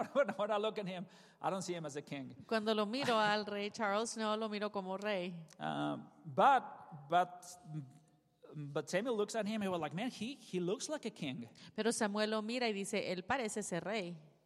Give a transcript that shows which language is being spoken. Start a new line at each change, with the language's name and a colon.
English: When I look at him, I don't see him as a king.
Spanish: Cuando lo miro al rey Charles, no lo miro como rey.
English: But Samuel looks at him and we're like, man, he looks like a king.
Spanish: Pero Samuel lo mira y dice, él parece ser rey.